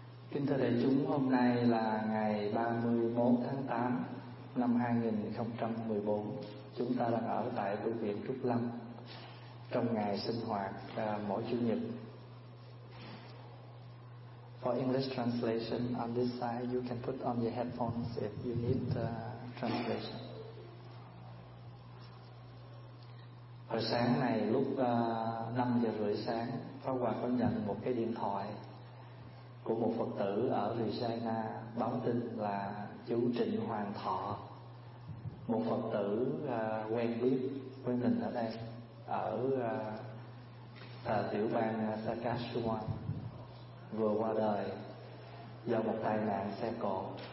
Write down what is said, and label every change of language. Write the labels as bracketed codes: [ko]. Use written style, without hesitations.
[vi] Kính thưa đại chúng, hôm nay là ngày 31 tháng 8 năm 2014. Chúng ta đang ở tại Tu viện Trúc Lâm trong ngày sinh hoạt mỗi Chủ nhật. [en] For English translation, on this side you can put on your headphones if you need translation. [vi] Hồi sáng này lúc 5 giờ rưỡi sáng, Pháp Hòa có nhận một cái điện thoại của một Phật tử ở Regina báo tin là chú Trịnh Hoàng Thọ, một Phật tử quen biết với mình ở đây, ở tiểu bang Saskatchewan, vừa qua đời do một tai nạn xe cộ.